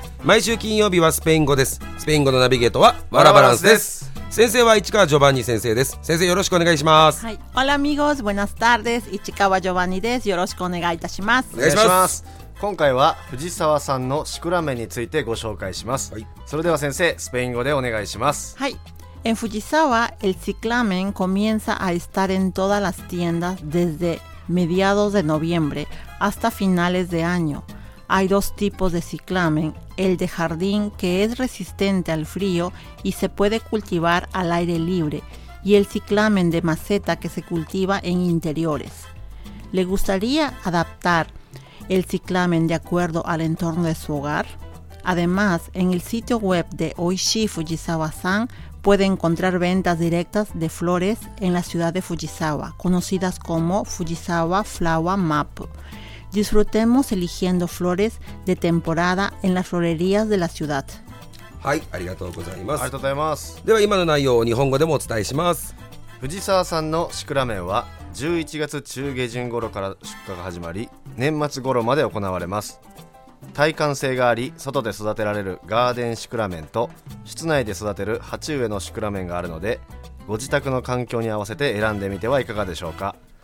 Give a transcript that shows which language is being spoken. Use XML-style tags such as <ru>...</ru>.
<ja>毎週金曜日はスペイン語です。スペイン語のナビゲートはワラバランスです。先生は市川ジョバンニ先生です。先生よろしくお願いします。はい、オラミゴーズブナスタールです。市川ジョバンニです。よろしくお願いいたします。お願いします。今回は藤沢さんのシクラメンについてご紹介します。はい、それでは先生スペイン語でお願いします。</ja> <es>はい、En Fujisawa, el ciclamen comienza a estar en todas las tiendas desde mediados de noviembre hasta finales de año. Hay dos tipos de ciclamen, el de jardín que es resistente al frío y se puede cultivar al aire libre, y el ciclamen de maceta que se cultiva en interiores. ¿Le gustaría adaptar el ciclamen de acuerdo al entorno de su hogar? Además, en el sitio web de Oishi Fujisawa-san,puede encontrar ventas directas de flores en la ciudad de Fujisawa, conocidas como Fujisawa Flower Map. Disfrutemos eligiendo flores de temporada en las florerías de la ciudad.</es> <ja>はい、ありがとうございます。ありがとうございます。では今の内容を日本語でもお伝えします。藤沢さんのシクラメンは11月中下旬頃から出荷が始まり、年末頃まで行われます。耐寒性があり外で育てられるガーデンシクラメンと室内で育てる鉢植えのシクラメンがあるので、ご自宅の環境に合わせて選んでみてはいかがでしょうか。</ja>